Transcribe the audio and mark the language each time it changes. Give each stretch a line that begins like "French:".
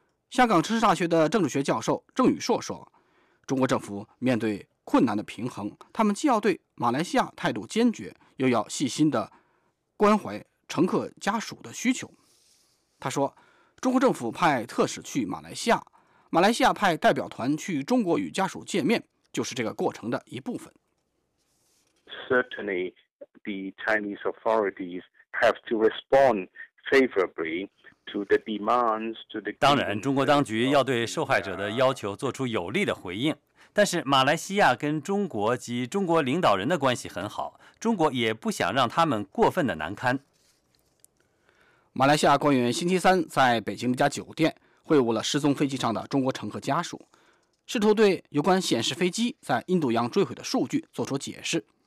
Chinese: 香港城市大学的政治学教授郑宇硕说，中国政府面对困难的平衡，他们既要对马来西亚态度坚决，又要细心地关怀乘客家属的需求。他说，中国政府派特使去马来西亚，马来西亚派代表团去中国与家属见面，就是这个过程的一部分。
English: Certainly, the Chinese authorities have to respond favorably to the demands to the.
Chinese: 当然，中国当局要对受害者的要求做出有力的回应。但是，马来西亚跟中国及中国领导人的关系很好，中国也不想让他们过分的难堪。马来西亚官员星期三在北京一家酒店会晤了失踪飞机上的中国乘客家属，试图对有关显示飞机在印度洋坠毁的数据做出解释。